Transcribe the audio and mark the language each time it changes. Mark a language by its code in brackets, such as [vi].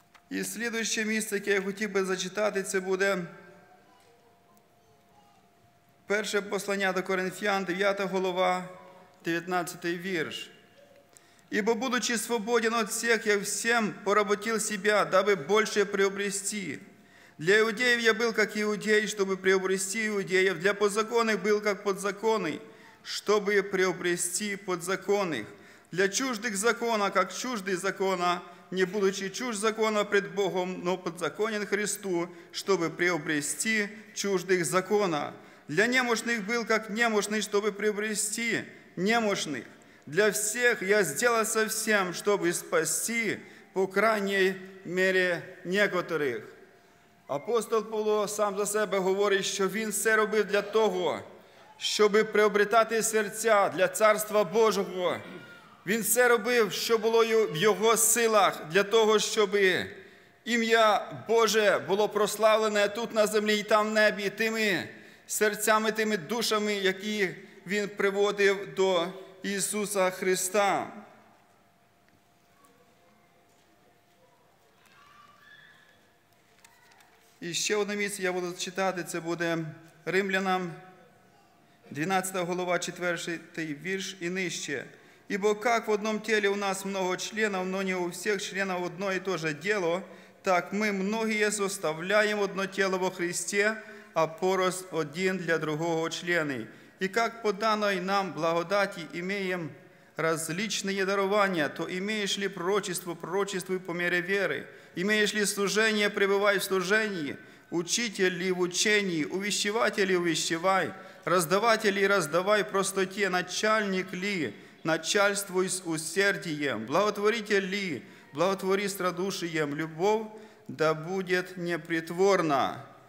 [uk] І слідуюче місце, яке я хотів би зачитати, це буде перше послання до Коринфян, 9 глава, 19 вірш. [ru] «Ібо, будучи свободен от всех, я всем поработил себя, дабы больше приобрести. Для иудеев я был, как иудей, чтобы приобрести иудеев. Для подзаконных был, как подзаконный, чтобы приобрести подзаконных. Для чуждых закона, как чуждый закона, не будучи чужд закона пред Богом, но подзаконен Христу, чтобы приобрести чуждых закона. Для немощных был, как немощный, чтобы приобрести немощных. Для всех я сделался всем, чтобы спасти, по крайней мере, некоторых». [uk] Апостол Павло сам за себе говорить, що він все робив для того, щоб приобретати серця для Царства Божого. Він все робив, що було в його силах, для того, щоб ім'я Боже було прославлене тут на землі і там в небі, тими серцями, тими душами, які він приводив до Ісуса Христа. І ще одне місце я буду читати, це буде Римлянам, 12 глава, 4 вірш і нижче. [ru] «Ібо як в одному тілі у нас много членів, но не у всіх членів одно і то же діло, так ми многие составляємо одно тіло во Христі, а порос один для другого члени. І як по даної нам благодаті імеємо различні дарування, то імеєш ли пророчество, пророчествуй по мере віри». Имеешь ли служение, пребывай в служении, учитель ли в учении, увещеватель ли увещевай, раздаватель ли раздавай простоте, начальник ли, начальствуй с усердием, благотворитель ли, благотвори страдушием, любовь да будет непритворна.